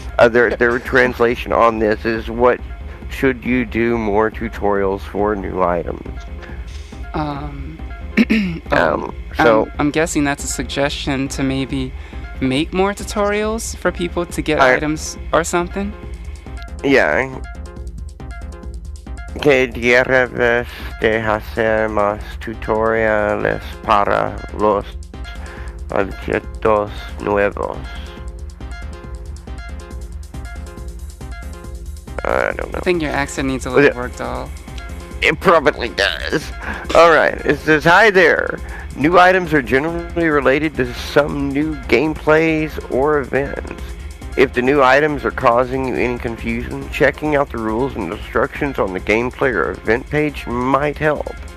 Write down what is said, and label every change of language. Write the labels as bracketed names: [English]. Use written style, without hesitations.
[English] Their translation on this is, what should you do more tutorials for new items? I'm guessing that's a suggestion to maybe make more tutorials for people to get items or something. Yeah. [Spanish] Que debes de hacer más tutoriales para los objetos nuevos. [English] I don't know. I think your accent needs a little work, doll. It probably does. All right. It says, hi there. New items are generally related to some new gameplays or events. If the new items are causing you any confusion, checking out the rules and instructions on the gameplay or event page might help.